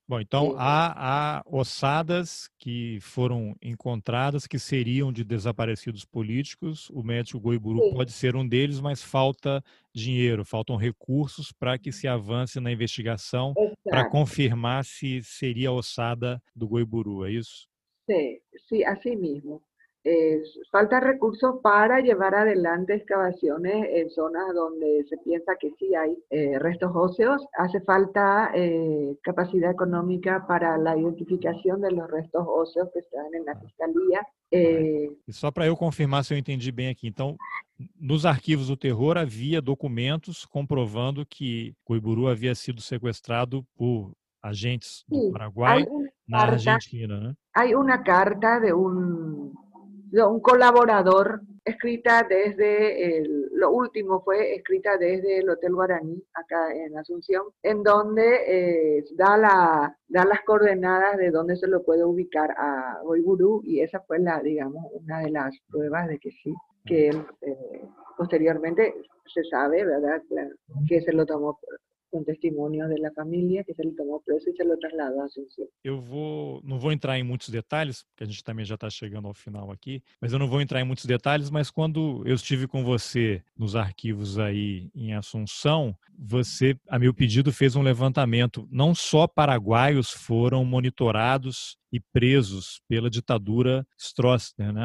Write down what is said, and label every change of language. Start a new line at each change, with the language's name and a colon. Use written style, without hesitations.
Portuguese: Bueno, então, há ossadas que foram encontradas que seriam de desaparecidos políticos. O médico Goiburu pode ser um deles, mas falta dinheiro, faltam recursos para que se avance na investigação para confirmar se seria a ossada do Goiburu, é isso? Sim, assim mesmo.
Spanish: Falta recursos para llevar adelante excavaciones en zonas donde se piensa que sí hay restos óseos. Hace falta capacidad económica para la identificación de los restos óseos que están en la fiscalía.
Portuguese: E só para eu confirmar se eu entendi bem aqui, então, nos arquivos do terror havia documentos comprovando que Goiburu havia sido sequestrado por agentes do Paraguai na Argentina, né?
Spanish: Hay una carta de un colaborador escrita desde lo último fue escrita desde el Hotel Guaraní, acá en Asunción, en donde da las coordenadas de dónde se lo puede ubicar a Goiburu, y esa fue la, digamos, una de las pruebas de que sí, que él posteriormente se sabe, ¿verdad?, que se lo tomó
Portuguese: com testemunho da família, que ele tomou preso e se lhe trasladou à Assunção. Não vou entrar em muitos detalhes, porque a gente também já está chegando ao final aqui, mas eu não vou entrar em muitos detalhes, mas quando eu estive com você nos arquivos aí em Assunção, você, a meu pedido, fez um levantamento. Não só paraguaios foram monitorados e presos pela ditadura Stroessner, né?